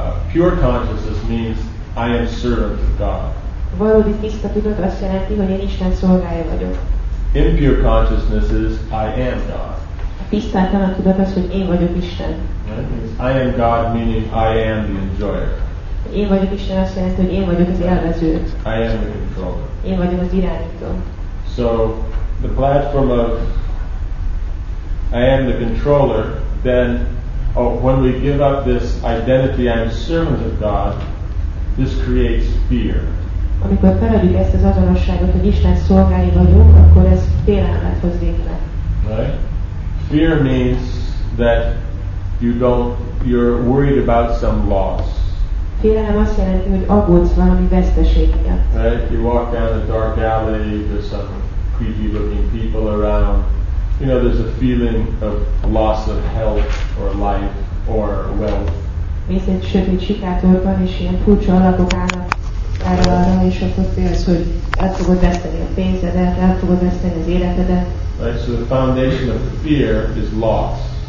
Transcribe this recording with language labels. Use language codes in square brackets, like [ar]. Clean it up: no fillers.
[en] Pure consciousness means I am servant of God. [hu] Valódi tiszta tudat azt jelenti, hogy én Isten szolgája vagyok. [en] Impure consciousness is I am God. [hu] A tisztátlan tudat az, hogy én vagyok Isten. [en] I am God meaning I am the enjoyer. [hu] Én vagyok Isten azt jelenti, hogy én vagyok az élvező. [en] I am the controller. [hu] Én vagyok az irányító. [en] So the platform of I am the controller, then when we give up this identity, I'm a servant of God, this creates fear. [hu] Amikor feladjuk ezt az azonosságot, hogy Isten szolgái vagyunk, akkor ez félelmet hoz létre. [en] Right? Fear means that you're worried about some loss. [hu] Félelem azt jelenti, hogy aggódsz valami veszteség miatt. [en] Right? You walk down a dark alley, there's some creepy looking people around. You know, there's a feeling of loss of health or life or wealth. Right, so the foundation of fear is loss.